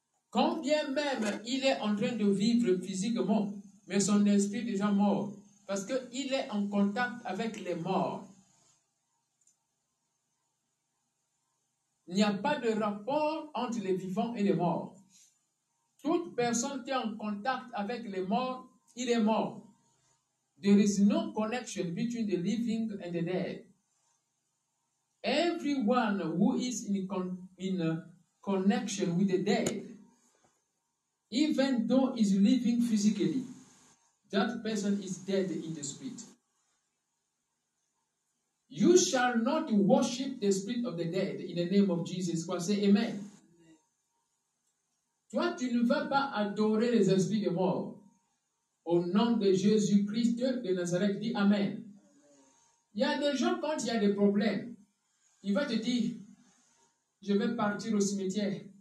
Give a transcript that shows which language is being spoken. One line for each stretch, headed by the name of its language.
French: Quand bien même il est en train de vivre physiquement, mais son esprit est déjà mort, parce qu'il est en contact avec les morts. Il n'y a pas de rapport entre les vivants et les morts. Toute personne qui est en contact avec les morts, il est mort.
English: There is no connection between the living and the dead. Everyone who is in connection with the dead, even though is living physically, that person is dead in the spirit. You shall not worship the spirit of the dead in the name of Jesus Christ. Say amen.
French: Toi, tu ne vas pas adorer les esprits des morts. Au nom de Jésus-Christ de Nazareth, dis amen. Il y a des gens, quand il y a des problèmes, ils vont te dire, je vais partir au cimetière.